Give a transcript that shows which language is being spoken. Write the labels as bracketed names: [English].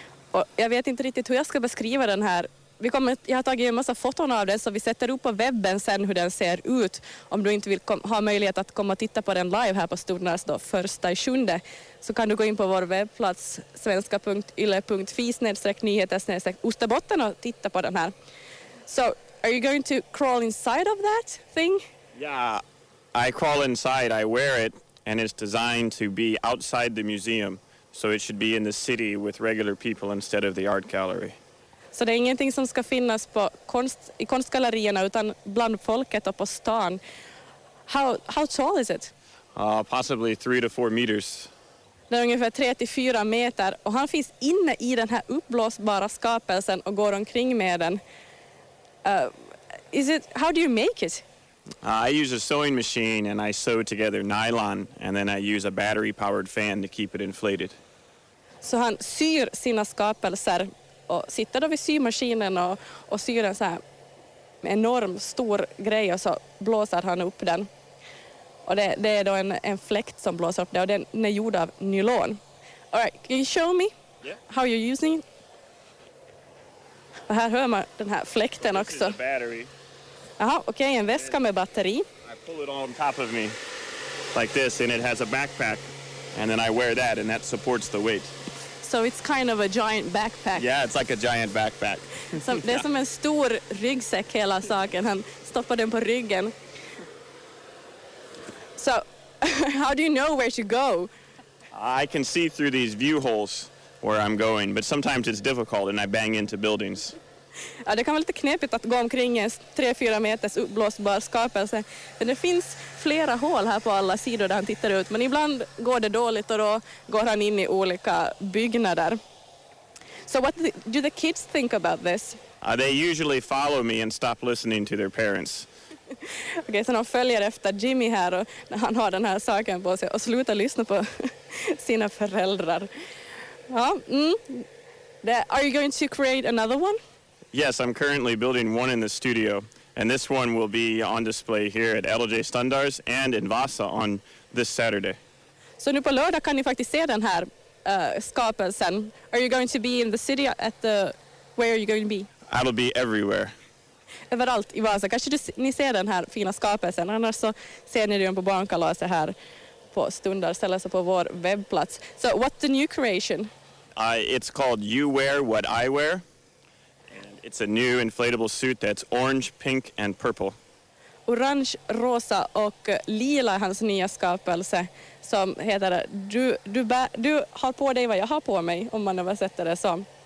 [Swedish] Och jag vet inte riktigt hur jag ska beskriva den här. Jag har tagit en massa foton av den, så vi sätter upp på webben sen hur den ser ut. Om du inte vill ha möjlighet att komma och titta på den live här på Stornäs då, 1/7, så kan du gå in på vår webbplats svenska.yle.fi/nyheter/osterbotten och titta på den här. [English] So, are you going to crawl inside of that thing? Yeah, I crawl inside, I wear it, and it's designed to be outside the museum. So it should be in the city with regular people instead of the art gallery. [Swedish] Så det är ingenting som ska finnas på i konstgallerierna, utan bland folket och på stan. [English] How tall is it? Possibly 3 to 4 meters. [Swedish] Det är ungefär 3 till 4 meter. Och han finns inne i den här uppblåsbara skapelsen och går omkring med den. [English] How do you make it? I use a sewing machine and I sew together nylon. And then I use a battery-powered fan to keep it inflated. [Swedish] Så han syr sina skapelser och sitter då vid symaskinen och syr en så här enorm stor grej, och så blåser han upp den. Och det är då en fläkt som blåser upp det, och den är gjord av nylon. [English] All right, can you show me how you're using it? [Swedish] Och här hör man den här fläkten också. [English] This is a battery. [Swedish] Jaha, okej, okay, en väska med batteri. [English] I pull it on top of me like this, and it has a backpack. And then I wear that, and that supports the weight. So it's kind of a giant backpack. Yeah, it's like a giant backpack. [Swedish] Så det är som en stor ryggsäck hela saken. Han stoppar den på ryggen. [English] So, how do you know where to go? I can see through these view holes where I'm going, but sometimes it's difficult and I bang into buildings. [Swedish] Ja, det kan vara lite knepigt att gå omkring en 3-4 meters uppblåsbar skapelse. Men det finns flera hål här på alla sidor där han tittar ut. Men ibland går det dåligt, och då går han in i olika byggnader. [English] So what do the kids think about this? They usually follow me and stop listening to their parents. [Swedish] Okej, så de följer efter Jimmy här, och när han har den här saken på sig, och slutar lyssna på sina föräldrar. [English] Ja, Are you going to create another one? Yes, I'm currently building one in the studio, and this one will be on display here at LJ Stundars and in Vasa on this Saturday. [Swedish] Så nu på lördag kan ni faktiskt se den här skapelsen. [English] Are you going to be in the city at the... Where are you going to be? It'll be everywhere. [Swedish] Överallt i Vasa. Kanske ni ser den här fina skapelsen, annars så ser ni den på barnkalaset här på Stundars, eller så på vår webbplats. [English] So what's the new creation? It's called You Wear What I Wear. It's a new inflatable suit that's orange, pink and purple. [Swedish] Orange, rosa och lila är hans nya skapelse, som heter du har på dig vad jag har på mig, om man översätter det som.